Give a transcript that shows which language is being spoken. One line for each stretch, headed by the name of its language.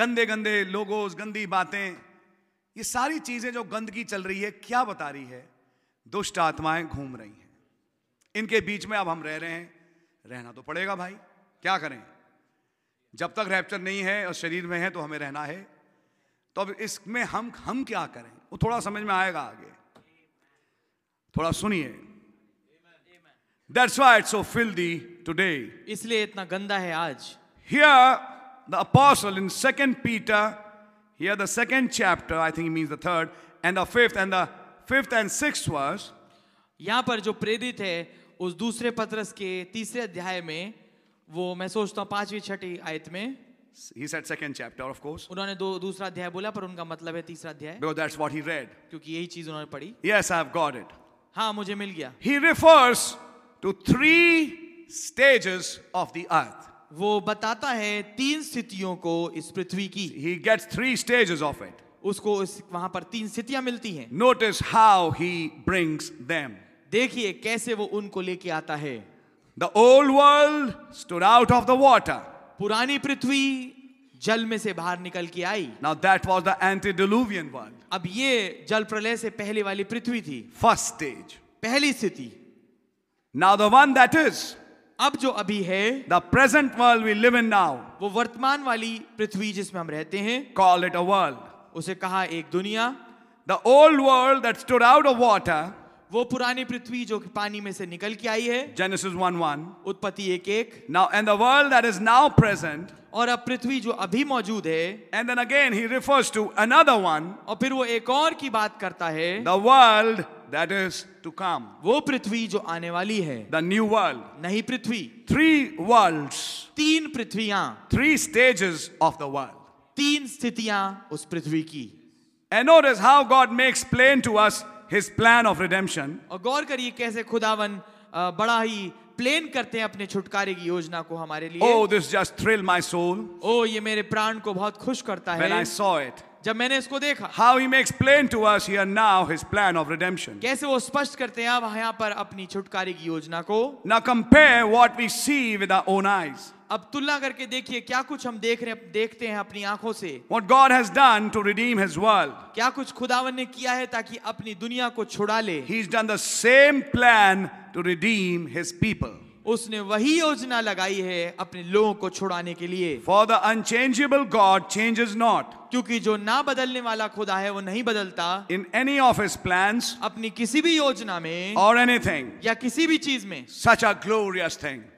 Hindi: गंदे गंदे लोगों, गंदी बातें, ये सारी चीजें जो गंदगी चल रही है क्या बता रही है, दुष्ट आत्माएं घूम रही हैं, इनके बीच में अब हम रह रहे हैं, रहना तो पड़ेगा भाई, क्या करें, जब तक रैप्चर नहीं है और शरीर में है तो हमें रहना है, तो अब इसमें हम क्या करें, वो थोड़ा समझ में आएगा आगे, थोड़ा सुनिए।
English: That's why it's so filthy today.
Hindi: इसलिए इतना गंदा है आज।
English: Here the apostle in 2 Peter, here the second chapter, I think he means the third and the fifth and the fifth and sixth verse.
Hindi: यहाँ पर जो प्रेरित है उस दूसरे पत्रस के तीसरे अध्याय में, वो मैं सोचता हूँ पांचवी छठी आयत में।
English: He said second chapter, of course.
Hindi: उन्होंने दूसरा अध्याय बोला, पर उनका मतलब है तीसरा अध्याय।
English: Because that's what he read.
Hindi: क्योंकि यही चीज़ उन्होंने पढ़ी।
English: Yes, I've got it.
Hindi: हाँ, मुझे मिल गया।
English: He refers to 3 stages of the earth.
Hindi: वो बताता है 3 स्थितियों को इस पृथ्वी की।
English: He gets 3 stages of it.
Hindi: उसको वहाँ पर 3 स्थितियाँ मिलती हैं।
English: Notice how he brings them.
Hindi: देखिए कैसे वो उनको लेके आता है।
English: The old world stood out of the water.
Hindi: पुरानी पृथ्वी जल में से बाहर निकल के आई।
English: Now that was the antediluvian world.
Hindi: अब ये जल प्रलय से पहले वाली पृथ्वी थी।
English: First stage.
Hindi: पहली स्थिति।
English: Now the one that is,
Hindi: अब जो अभी है,
English: the present world we live in now,
Hindi: वो वर्तमान वाली पृथ्वी जिसमें हम रहते हैं,
English: call it a world,
Hindi: उसे कहा एक दुनिया,
English: the old world that stood out of water,
Hindi: वो पुरानी पृथ्वी जो पानी में से निकल के आई है,
English: Genesis 1:1,
Hindi: उत्पत्ति 1:1,
English: now and the world that is now present,
Hindi: और अब पृथ्वी जो अभी मौजूद है,
English: and then again he refers to another one,
Hindi: और फिर वो एक और की बात करता है,
English: the world that is to come,
Hindi: वो पृथ्वी जो आने वाली है,
English: the new world,
Hindi: नई पृथ्वी,
English: 3 worlds,
Hindi: तीन पृथ्वियां
English: three stages of the world
Hindi: तीन स्थितियां उस पृथ्वी की
English: and notice how God makes plain to us his plan of redemption
Hindi: और गौर करिए कैसे खुदावन बड़ा ही प्लेन करते हैं अपने छुटकारे की योजना को हमारे लिए
English: oh this just thrill my soul
Hindi: oh ये मेरे प्राण को बहुत खुश करता है
English: when I saw it
Hindi: जब मैंने इसको देखा
English: how he makes plain to us here now his plan of redemption
Hindi: कैसे वो स्पष्ट करते हैं यहां पर अपनी छुटकारे की योजना को
English: now compare what we see with our own eyes
Hindi: अब तुलना करके देखिए क्या कुछ हम देखते हैं अपनी आंखों से
English: what god has done to redeem his world
Hindi: क्या कुछ खुदावन ने किया है ताकि अपनी दुनिया को छुड़ा ले
English: he has done the same plan to redeem his people
Hindi: उसने वही योजना लगाई है अपने लोगों को छुड़ाने के लिए
English: for the unchangeable God changes not
Hindi: क्योंकि जो ना बदलने वाला खुदा है वो नहीं बदलता
English: in any of his plans
Hindi: अपनी किसी भी योजना में
English: और एनीथिंग
Hindi: या किसी भी चीज में
English: such a glorious thing